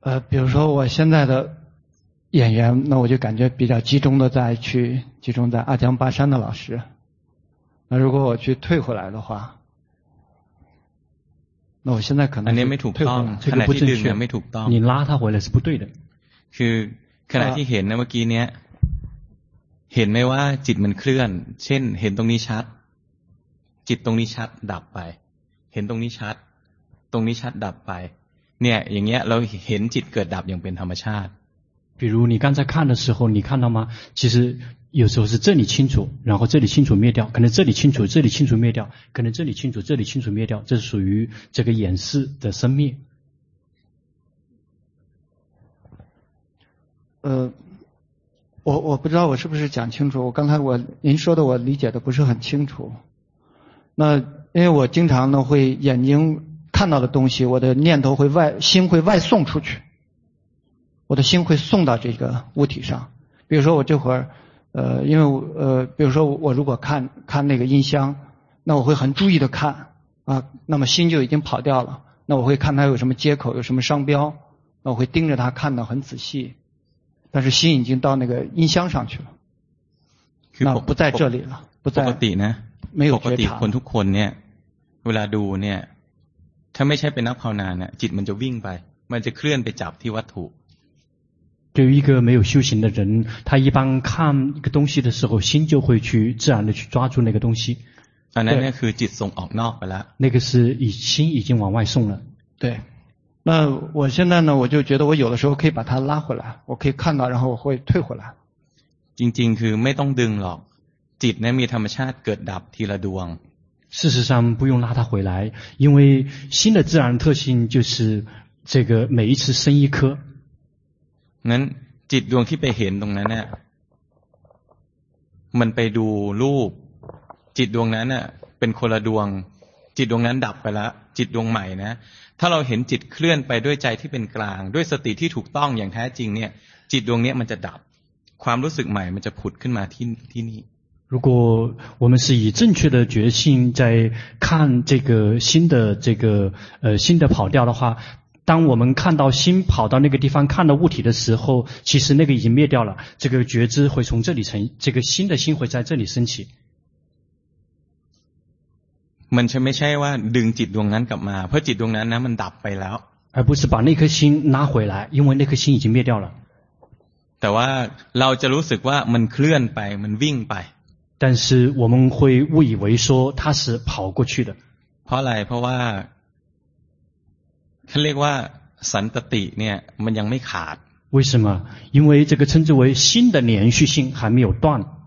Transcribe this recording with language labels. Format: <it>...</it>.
<zh>比如说我现在的演员，那我就感觉比较集中在阿江巴山的老师。那如果我去退回来的话，那我现在可能没退回来，这个不正确，没吐到。你拉他回来是不对的。</zh> <th>คือขณะที่เห็นนะเมื่อกี้เนี้ยเห็นไหมว่าจิตมันเคลื่อนเช่นเห็นตรงนี้ชัดจิตตรงนี้ชัดดับไปเห็นตรงนี้ชัดตรงนี้ชัดดับไปเนี่ยอย่างเงี้ยเราเห็นจิตเกิดดับอย่างเป็นธรรมชาติ</th> <zh>比如你刚才看的时候你看到吗其实有时候是这里清楚然后这里清楚灭掉可能这里清楚这里清楚灭掉可能这里清楚这里清楚灭掉这是属于这个眼识的生灭我不知道我是不是讲清楚我刚才您说的我理解的不是很清楚那因为我经常呢会眼睛看到的东西我的念头会外心会外送出去我的心会送到这个物体上比如说我这会儿因为比如说我如果看那个音箱那我会很注意的看啊，那么心就已经跑掉了那我会看它有什么接口有什么商标那我会盯着它看得很仔细但是心已经到那个音箱上去了那我不在这里了不在没有觉察</zh> <th>คนทุกคนเนี่ยเวลาดูเนี่ยถ้าไม่ใช่เป็นนักภาวนาเนี่ยจิตมันจะวิ่งไปมันจะเคลื่อนไปจับที่วัตถุ</th> <zh>对于一个没有修行的人他一般看一个东西的时候心就会去自然的去抓住那个东西</zh> <th>อันนั้นคือจิตส่งออกนอกไปแล้ว</th> <zh>那个是以心已经往外送了对那我现在呢我就觉得我有的时候可以把它拉回来我可以看到然后我会退回来</zh> <th>จริงๆคือไม่ต้องดึงหรอกจิตเนี่ยมีธรรมชาติเกิดดับทีละดวง</th> <zh>事实上不用拉它回来因为心的自然特性就是这个每一次生一颗</zh> <th>นั้นจิตดวงที่ไปเห็นตรงนั้นน่ะมันไปดูรูปจิตดวงนั้นน่ะเป็นคนละดวงจิตดวงนั้นดับไปแล้วจิตดวงใหม่นะถ้าเราเห็นจิตเคลื่อนไปด้วยใจที่เป็นกลางด้วยสติที่ถูกต้องอย่างแท้จริงเนี่ยจิตดวงเนี้ยมันจะดับความรู้สึกใหม่มันจะผุดขึ้นมาที่นี่</th> <zh>如果我们是以正确的觉性在看这个心的这个心的跑掉的话，当我们看到心跑到那个地方看到物体的时候，其实那个已经灭掉了，这个觉知会从这里成，这个心的心会在这里升起。</zh> <th>มันจะไม่ใช่ว่าดึงจิตดวงนั้นกลับมาเพราะจิตดวงนั้นนะมันดับไปแล้ว</th> <zh>而不是把那颗心拉回来，因为那颗心已经灭掉了。</zh> <th>แต่ว่าเราจะรู้สึกว่ามันเคลื่อนไปมันวิ่งไป</th> <zh>但是我们会误以为说它是跑过去的。</zh> <th>เพราะอะไรเพราะว่าเขาเรียกว่าสันตติเนี่ยมันยังไม่ขาด</th> <zh>为什么？因为这个称之为心的连续性还没有断。</zh>